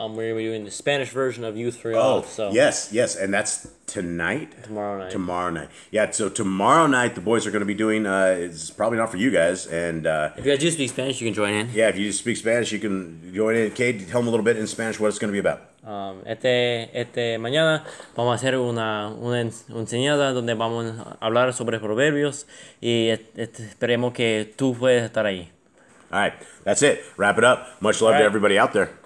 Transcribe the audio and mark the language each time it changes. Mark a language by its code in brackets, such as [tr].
[en] We're going to be doing the Spanish version of Youth for Y'all. Oh, so. Yes. And that's tonight? Tomorrow night. Yeah, so tomorrow night, the boys are going to be doing, it's probably not for you guys. And if you guys do speak Spanish, you can join in. Yeah, if you speak Spanish, you can join in. Kate, tell them a little bit in Spanish what it's going to be about. [es] Este mañana vamos a hacer una enseñanza donde vamos a hablar sobre proverbios y esperemos que tú puedas estar ahí. [en] All right, that's it. Wrap it up. Much love to everybody out there.